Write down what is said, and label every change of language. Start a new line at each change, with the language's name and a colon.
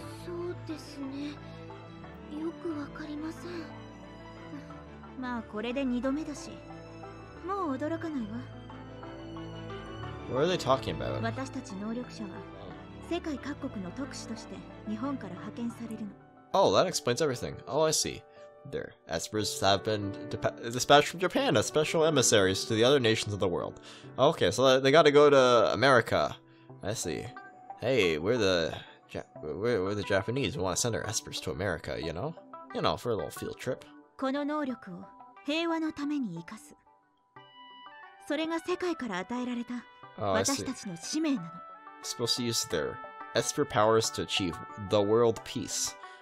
Japanese: そうですね。よく分かりません。まあこれで2度目だし、もう驚かないわ。
English: What are they talking about?
Japanese: 私たち能力者は世界各国の特使として日本から派遣されるの。
English: Oh, that explains everything. Oh, I see. Their espers have been dispatched from Japan as special emissaries to the other nations of the world. Okay, so they gotta go to America. I see. Hey, we're the Japanese. We want to send our espers to America, you know? You know, for a little field trip.
Japanese: この能力を平和のために生かす。それが世界から与えられた私たちの使命なの。
English: Supposed to use their esper powers to achieve the world peace.